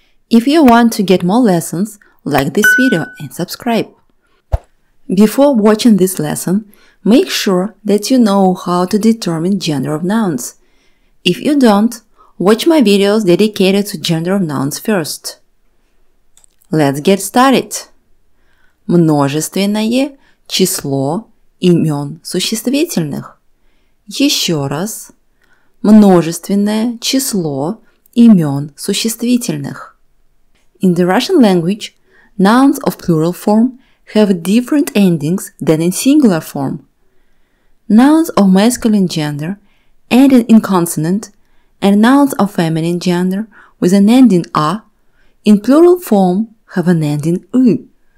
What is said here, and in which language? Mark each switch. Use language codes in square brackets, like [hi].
[en] If you want to get more lessons, like this video and subscribe. Before watching this lesson, make sure that you know how to determine gender of nouns. If you don't, watch my videos dedicated to gender of nouns first. Let's get started! [ru] Множественное число имен существительных. Еще раз. Множественное число имен существительных. [en] In the Russian language, nouns of plural form have different endings than in singular form. Nouns of masculine gender ending in consonant and nouns of feminine gender with an ending a in plural form have an ending ы.